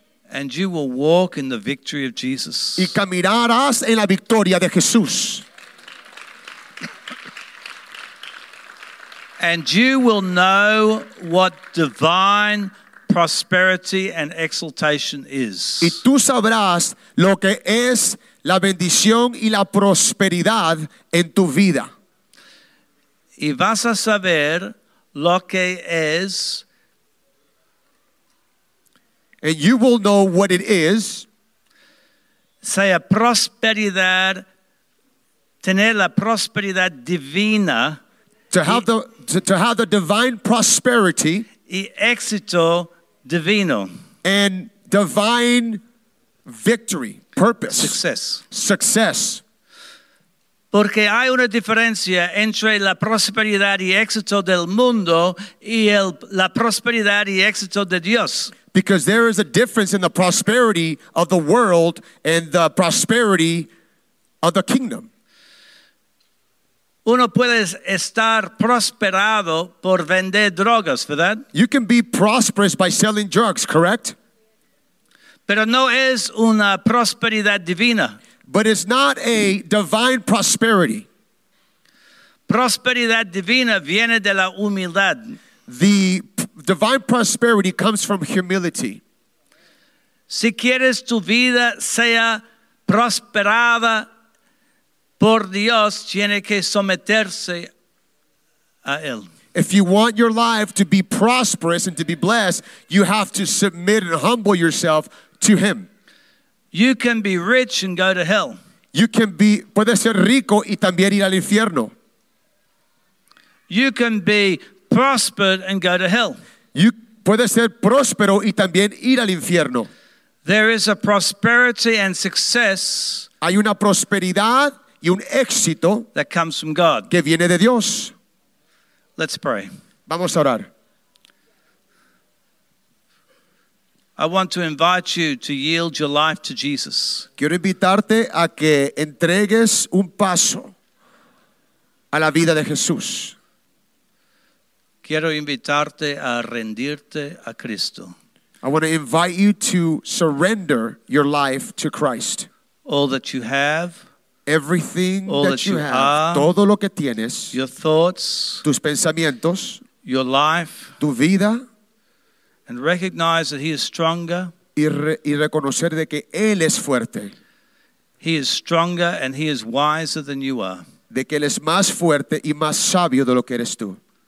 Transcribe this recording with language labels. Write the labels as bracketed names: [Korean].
[English] And you will walk in the victory of Jesus. [Spanish] Y caminarás en la victoria de Jesús. [English] And you will know what divine prosperity and exaltation is. [Spanish] Y tú sabrás lo que es la bendición y la prosperidad en tu vida. Y vas a saber lo que es. [English] And you will know what it is. [Spanish] Sea prosperidad, tener la prosperidad divina. [English] To have the divine prosperity. [Spanish] Y éxito divino. [English] And divine victory, purpose. Success. [Spanish] Porque hay una diferencia entre la prosperidad y éxito del mundo y la prosperidad y éxito de Dios. [English] Because there is a difference in the prosperity of the world and the prosperity of the kingdom. [Spanish] Uno puede estar prosperado por vender drogas, ¿verdad? [English] You can be prosperous by selling drugs, correct? [Spanish] Pero no es una prosperidad divina. [English] But it's not a divine prosperity. [Spanish] Prosperidad divina viene de la humildad. [English] The divine prosperity comes from humility. [Spanish] Si quieres tu vida sea prosperada por Dios, tiene que someterse a él. [English] If you want your life to be prosperous and to be blessed, you have to submit and humble yourself to him. You can be rich and go to hell. You can be, [Spanish] puede ser rico y también ir al infierno. [English] You can be prospered and go to hell. You [Spanish] puede ser próspero y también ir al infierno. [English] There is a prosperity and success. [Spanish] Hay una prosperidad y un éxito [English] that comes from God. [Spanish] Que viene de Dios. [English] Let's pray. [Spanish] Vamos a orar. [English] I want to invite you to yield your life to Jesus. [Spanish] Quiero invitarte a que entregues un paso a la vida de Jesús. Quiero invitarte a rendirte a Cristo. [English] I want to invite you to surrender your life to Christ. All that you have. Everything that you have. [Spanish] Todo lo que tienes. [English] Your thoughts. [Spanish] Tus pensamientos. [English] Your life. [Spanish] Tu vida. [English] And recognize that he is stronger. [Spanish] Y reconocer de que él es fuerte. [English] He is stronger and he is wiser than you are. [Spanish] De que él es más fuerte y más sabio de lo que eres tú.